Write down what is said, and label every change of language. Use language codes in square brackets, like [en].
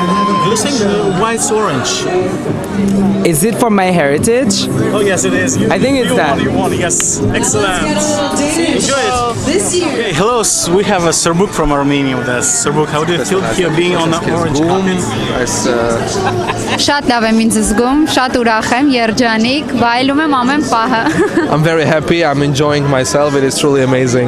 [en] Do you think why it's orange? Is it for my heritage? Oh yes, it is. I think it's that. You won. Yes, excellent. Enjoy it. This year. Okay, hello. We have a Serbuk from Armenia with us. Serbuk, how do you feel here being on the orange carpet? [hy] Շատ լավ եմ ինձ զգում, շատ ուրախ եմ, երջանիկ, վայելում եմ ամեն պահը. [en] I'm very happy, I'm enjoying myself, it is truly amazing.